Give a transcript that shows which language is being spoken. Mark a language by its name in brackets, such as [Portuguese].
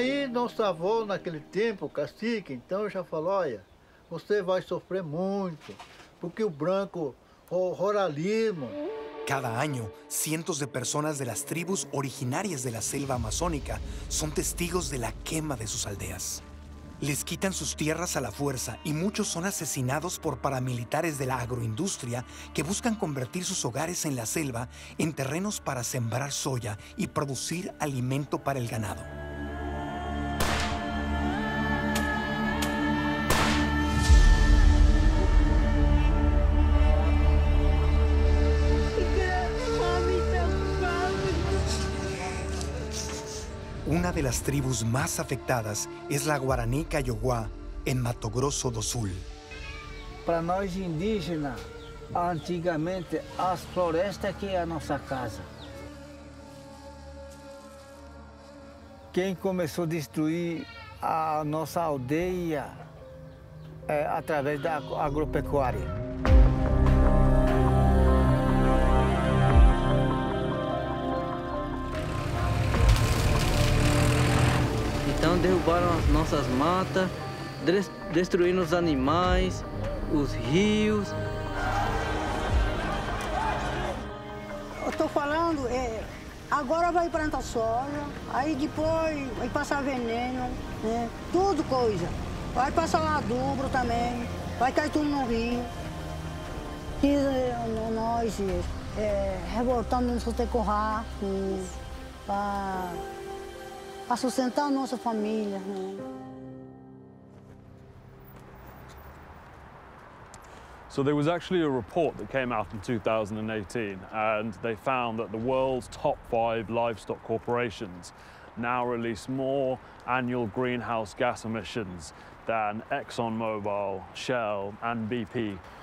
[Portuguese] Nosso avô, naquele tempo, cacique, então já falou, olha, você vai sofrer muito, porque o branco, o Roraima. [Spanish] Cada año, cientos de personas de las tribus originarias de la selva amazónica son testigos de la quema de sus aldeas. Les quitan sus tierras a la fuerza y muchos son asesinados por paramilitares de la agroindustria que buscan convertir sus hogares en la selva en terrenos para sembrar soya y producir alimento para el ganado. Una de las tribus más afectadas es la Guaraní Kayoguá, en Mato Grosso do Sul. [Portuguese] Para nós indígenas, antigamente, as florestas que é a nossa casa. Quem começou a destruir a nossa aldeia é através da agropecuária. Então derrubaram as nossas matas, destruíram os animais, os rios. Eu estou falando, agora vai plantar soja, aí depois vai passar veneno, né? Tudo coisa. Vai passar adubo também, vai cair tudo no rio. E nós revoltando no Sotecorrá, para sustentar a nossa família. [English] So there was actually a report that came out in 2018, and they found that the world's top five livestock corporations now release more annual greenhouse gas emissions than ExxonMobil, Shell, and BP.